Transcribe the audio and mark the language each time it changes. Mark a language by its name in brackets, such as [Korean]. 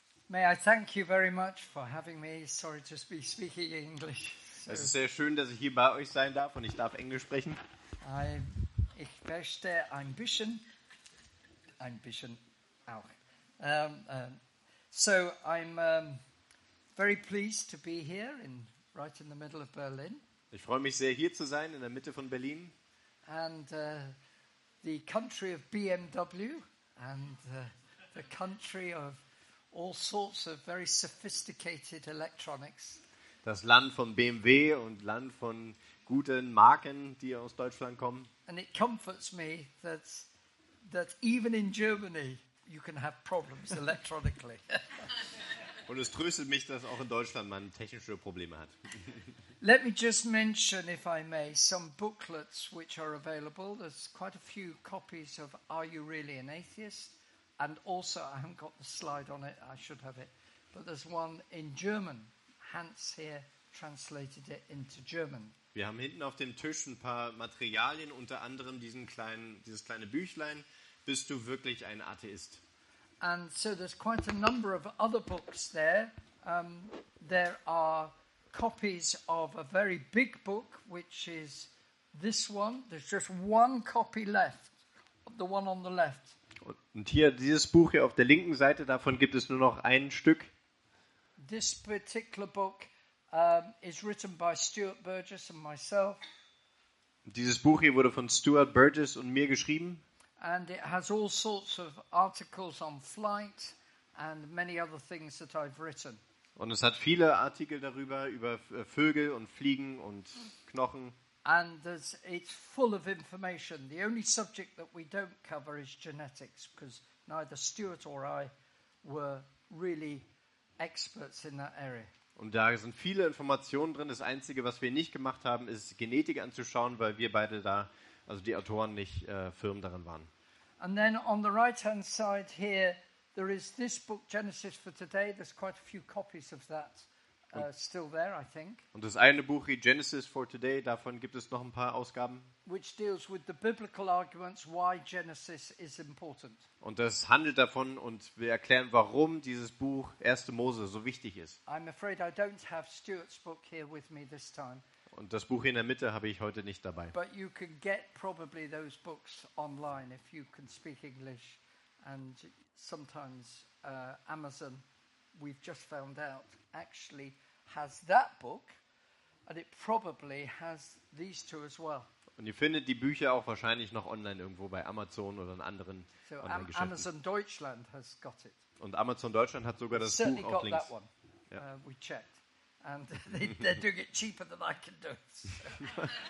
[English] May I thank you very much for having me. Sorry to be speaking English. [German] So, es ist sehr schön, dass ich hier bei euch sein darf und ich darf Englisch sprechen. Ich möchte ein bisschen auch. [English] Very pleased to be here in right in the middle of Berlin. [German] Ich freue mich sehr, hier zu sein in der Mitte von Berlin. [English] And the country of BMW and the country of all sorts of very sophisticated electronics. [German] Das Land von BMW und Land von guten Marken, die aus Deutschland kommen. [English] And it comforts me that even in Germany you can have problems electronically. [German] Und es tröstet mich, dass auch in Deutschland man technische Probleme hat. [English] Let me just mention, if I may, some booklets which are available. There's quite a few copies of Are You Really an Atheist? And also, I haven't got the slide on it, I should have it, but there's one in German. Hans here translated it into German. [German] Wir haben hinten auf dem Tisch ein paar Materialien, unter anderem dieses kleine Büchlein, Bist du wirklich ein Atheist? [English] And so there's quite a number of other books there. There are copies of a very big book, which is this one. There's just one copy left, the one on the left. [German] Und hier, dieses Buch hier auf der linken Seite, davon gibt es nur noch ein Stück. [English] This particular book is written by Stuart Burgess and myself. [German] Dieses Buch hier wurde von Stuart Burgess und mir geschrieben. [English] And it has all sorts of articles on flight and many other things that I've written. [German] Und es hat viele Artikel darüber, über Vögel und Fliegen und Knochen. [English] And it's full of information. The only subject that we don't cover is genetics, because neither Stuart or I were really experts in that area. [German] Und da sind viele Informationen drin. Das Einzige, was wir nicht gemacht haben, ist Genetik anzuschauen, weil wir beide da, also die Autoren, nicht firm darin waren. [English] And then on the right-hand side here, there is this book, Genesis for Today. There's quite a few copies of that. Still there, I think. [German] Und das eine Buch, Genesis for Today, davon gibt es noch ein paar Ausgaben. [English] Which deals with the biblical arguments why Genesis is important. [German] Und das handelt davon und wir erklären, warum dieses Buch 1. Mose so wichtig ist. [English] I'm afraid I don't have Stuart's book here with me this time. [German] Und das Buch in der Mitte habe ich heute nicht dabei. [English] But you can get probably those books online if you can speak English, and sometimes Amazon, we've just found out, actually has that book, and it probably has these two as well. [German] Und ihr findet die Bücher auch wahrscheinlich noch online irgendwo bei Amazon oder in anderen Online-Geschäften. [English] So Amazon Deutschland has got it. [German] Und Amazon Deutschland hat sogar das Buch auch links. [English] That one. Yeah. We checked, and they're doing it cheaper than I can do it.